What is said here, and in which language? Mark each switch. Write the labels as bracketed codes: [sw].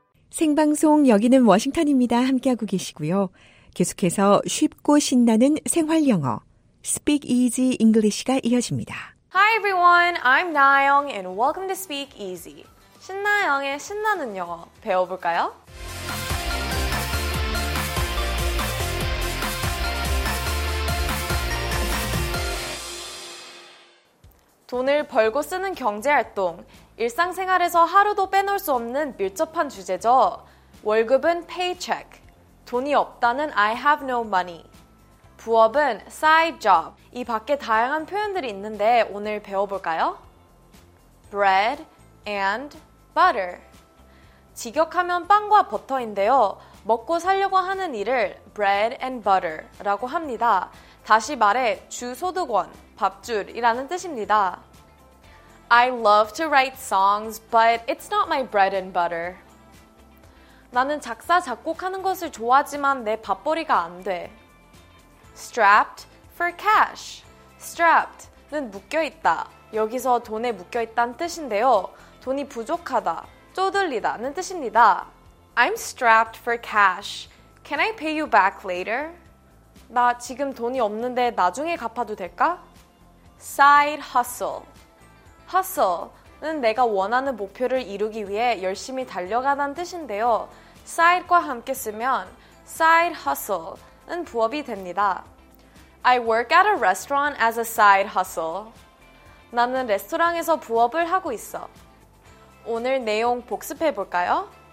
[ko] 생방송 여기는 워싱턴입니다. 함께하고 계시고요. 계속해서 쉽고 신나는 생활 영어 Speak Easy English가 이어집니다. [en] Hi everyone, I'm Nayoung and welcome to Speak Easy. [ko] 신나영의 신나는 영어 배워볼까요? 돈을 벌고 쓰는 경제활동, 일상생활에서 하루도 빼놓을 수 없는 밀접한 주제죠. 월급은 paycheck, 돈이 없다는 [en] I have no money. [ko] 부업은 side job. 이 밖에 다양한 표현들이 있는데 오늘 배워볼까요? [en] Bread and butter. [ko] 직역하면 빵과 버터인데요. 먹고 살려고 하는 일을 bread and butter라고 합니다. 다시 말해 주소득원, 밥줄이라는 뜻입니다. [en] I love to write songs, but it's not my bread and butter. [ko] 나는 작사, 작곡하는 것을 좋아하지만 내 밥벌이가 안 돼. [en] Strapped for cash. Strapped는 [ko] 묶여있다. 여기서 돈에 묶여있다는 뜻인데요. 돈이 부족하다, 쪼들리다는 뜻입니다. [en] I'm strapped for cash. Can I pay you back later? [ko] 나 지금 돈이 없는데 나중에 갚아도 될까? [en] Side hustle. [ko] Hustle는 내가 원하는 목표를 이루기 위해 열심히 달려가다는 뜻인데요. Side과 함께 쓰면 side hustle은 부업이 됩니다. [en] I work at a restaurant as a side hustle. [ko] 나는 레스토랑에서 부업을 하고 있어. 오늘 내용 복습해 볼까요?